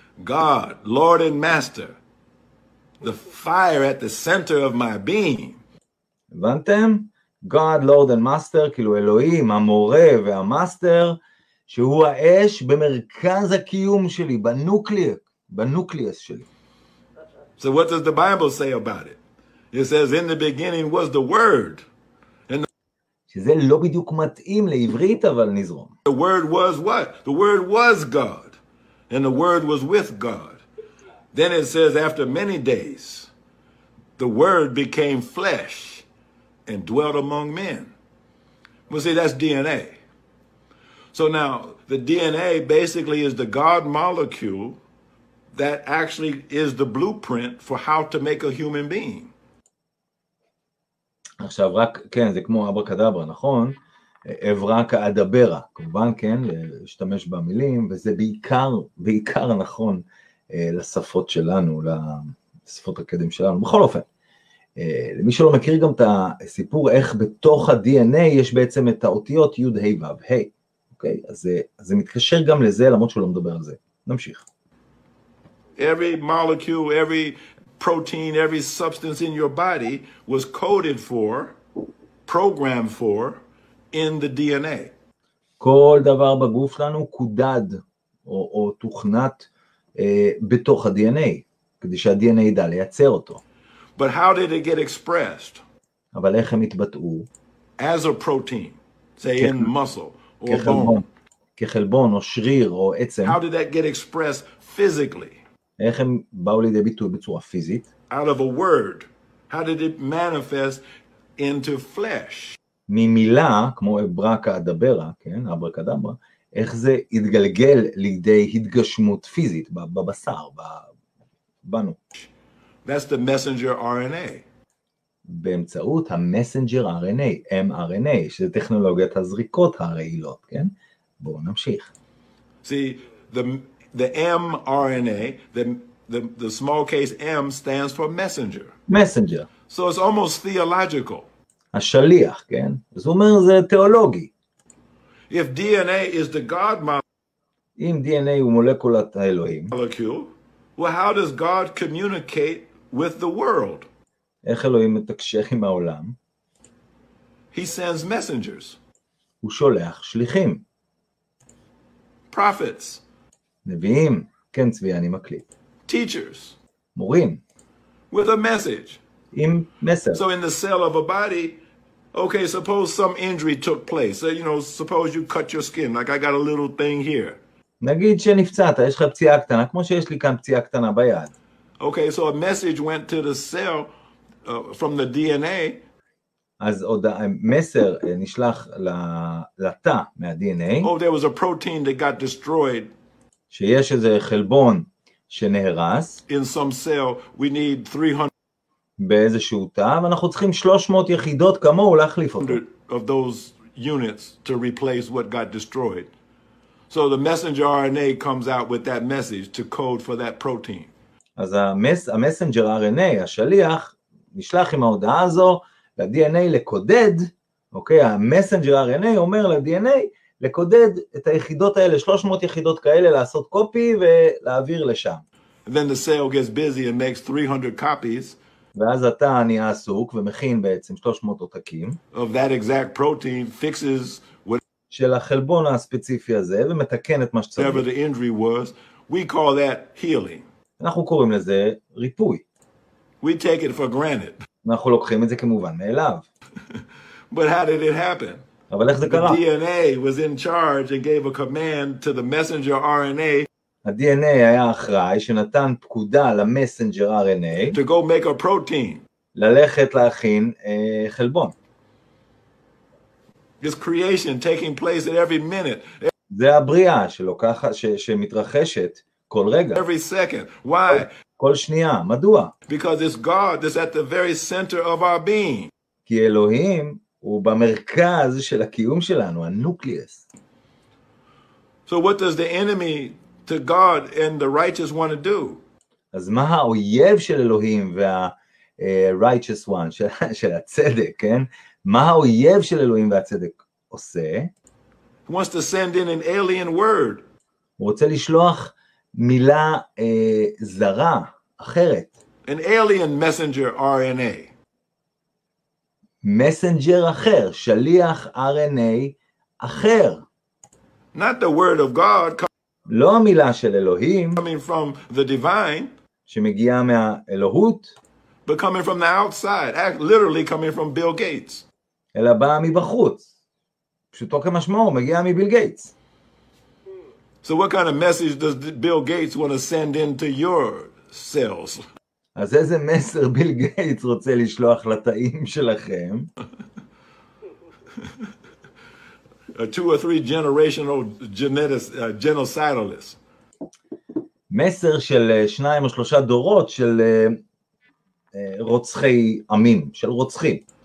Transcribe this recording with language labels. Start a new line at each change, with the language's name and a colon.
English: God, Lord and Master, the fire at the center of my being.
Hebrew: הבנתם?
English: God, Lord and Master,
Hebrew: כאילו אלוהים, המורה והמאסטר, שהוא האש במרכז הקיום שלי, בנוקליאס שלי.
English: So what does the Bible say about it? It says, in the beginning was the word.
Hebrew: שזה לא בדיוק מתאים לעברית, אבל נזרום.
English: The word was what? The word was God. And the word was with God. Then it says, after many days, the word became flesh and dwelt among men. Well, see, that's DNA. So now, the DNA basically is the God molecule that actually is the blueprint for how to make a human being.
Hebrew: עכשיו רק, כן, זה כמו אברה קדברה, נכון? אברקה אדברה, כמובן כן, להשתמש במילים, וזה בעיקר, בעיקר נכון לשפות שלנו, לשפות הקדם שלנו, בכל אופן. למי שלא מכיר גם את הסיפור, איך בתוך ה-DNA יש בעצם את האותיות יוד היי וב, היי, אוקיי? אז זה מתקשר גם לזה, למרות שלא מדבר על זה. נמשיך.
English: Every molecule, every protein, every substance in your body was coded for, programmed for, in the DNA.
Hebrew: כל דבר בגוף שלנו קודד או תוכנת בתוך ה-DNA, כדי שה-DNA ידע לייצר אותו.
English: But how did it get expressed?
Hebrew: אבל איך הם התבטאו?
English: As a protein, say in muscle or bone.
Hebrew: כחלבון או שריר או עצם.
English: How did that get expressed physically?
Hebrew: איך הם באו לידי ביטוי בצורה פיזית?
English: Out of a word. How did it manifest into flesh?
Hebrew: ממילה, כמו אברקה אדברה, כן, אברקה אדברה, איך זה התגלגל לידי התגשמות פיזית, בבשר, בנו.
English: That's the messenger RNA.
Hebrew: באמצעות המסנג'ר RNA, mRNA, שזה טכנולוגיית הזריקות הרעילות, כן? בואו נמשיך.
English: See, the mRNA, the small case M stands for messenger. Messenger. So it's almost theological.
Hebrew: השליח, כן? אז הוא אומר, זה תיאולוגי.
English: If DNA is the God molecule,
Hebrew: אם DNA הוא מולקולת האלוהים,
English: molecule, well, how does God communicate with the world?
Hebrew: איך אלוהים מתקשר עם העולם?
English: He sends messengers.
Hebrew: הוא שולח שליחים.
English: Prophets.
Hebrew: נביאים. כן, צבי, אני מקליט.
English: Teachers.
Hebrew: מורים.
English: With a message.
Hebrew: עם מסר.
English: So in the cell of a body, okay, suppose some injury took place. So, you know, suppose you cut your skin, like I got a little thing here.
Hebrew: נגיד שנפצעת, יש לך פציעה קטנה, כמו שיש לי כאן פציעה קטנה ביד.
English: Okay, so a message went to the cell from the DNA.
Hebrew: אז עוד המסר נשלח לתא מה-DNA.
English: Oh, there was a protein that got destroyed.
Hebrew: שיש איזה חלבון שנהרס.
English: In some cell, we need 300.
Hebrew: באיזשהו תא, ואנחנו צריכים 300 יחידות כמוהו להחליף אותו.
English: Of those units to replace what got destroyed. So the messenger RNA comes out with that message to code for that protein.
Hebrew: אז המסנג'ר RNA, השליח, נשלח עם ההודעה הזו, ל-DNA לקודד, אוקיי, המסנג'ר RNA אומר ל-DNA לקודד את היחידות האלה, 300 יחידות כאלה, לעשות קופי ולהעביר לשם.
English: Then the cell gets busy and makes 300 copies.
Hebrew: ואז אתה נהיה עסוק ומכין בעצם 300 עותקים.
English: Of that exact protein fixes what...
Hebrew: של החלבון הספציפי הזה ומתקן את מה שצריך.
English: Whatever the injury was, we call that healing.
Hebrew: אנחנו קוראים לזה ריפוי.
English: We take it for granted.
Hebrew: אנחנו לוקחים את זה כמובן מאליו.
English: But how did it happen?
Hebrew: אבל איך זה קרה?
English: The DNA was in charge and gave a command to the messenger RNA.
Hebrew: ה-DNA היה אחראי שנתן פקודה למסנג'ר RNA.
English: To go make a protein.
Hebrew: ללכת להכין חלבון.
English: This creation taking place at every minute.
Hebrew: זה הבריאה שלוקחת, שמתרחשת כל רגע.
English: Every second. Why?
Hebrew: כל שנייה, מדוע?
English: Because it's God that's at the very center of our being.
Hebrew: כי אלוהים הוא במרכז של הקיום שלנו, הנוקליאס.
English: So what does the enemy to God and the righteous want to do?
Hebrew: אז מה האויב של אלוהים וה-
English: righteous one,
Hebrew: של הצדק, כן? מה האויב של אלוהים והצדק עושה?
English: He wants to send in an alien word.
Hebrew: הוא רוצה לשלוח מילה זרה אחרת.
English: An alien messenger RNA.
Hebrew: Messenger אחר, שליח RNA אחר.
English: Not the word of God.
Hebrew: לא המילה של אלוהים.
English: Coming from the divine.
Hebrew: שמגיעה מהאלוהות.
English: But coming from the outside. Literally coming from Bill Gates.
Hebrew: אלא באה מבחוץ. פשוטו כמשמעו, מגיעה מביל גייטס.
English: So what kind of message does Bill Gates want to send into your cells?
Hebrew: אז איזה מסר ביל גייטס רוצה לשלוח לתאים שלכם?
English: A two or three generational genocidalist.
Hebrew: מסר של שניים או שלושה דורות של רוצחי עמים, של רוצחים.